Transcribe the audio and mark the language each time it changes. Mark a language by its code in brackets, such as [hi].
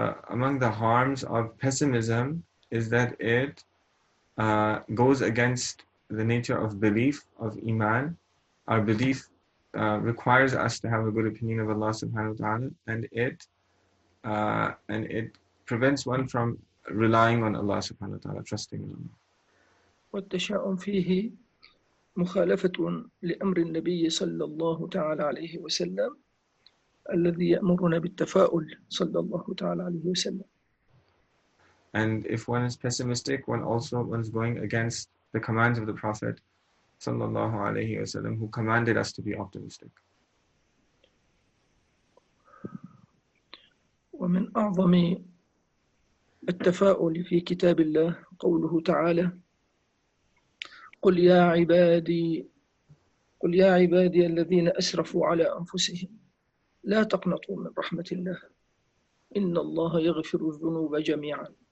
[en] Among the harms of pessimism is that it goes against the nature of belief of iman. Our belief requires us to have a good opinion of Allah subhanahu wa ta'ala, and it prevents one from relying on Allah subhanahu wa ta'ala, trusting in Allah. [ar] والتشاؤم فيه مخالفة لأمر النبي صلى الله تعالى عليه وسلم الذي يأمرنا بالتفاؤل صلى الله تعالى عليه وسلم. [en] And if one is pessimistic, one's going against the commands of the Prophet [ar] صلى الله عليه وسلم, [en] who commanded us to be optimistic. [ar] ومن أعظم التفاؤل في كتاب الله قوله تعالى قل يا عبادي قل يا عبادي الذين أسرفوا على أنفسهم لا تقنطوا من رحمة الله إن الله يغفر الذنوب جميعا.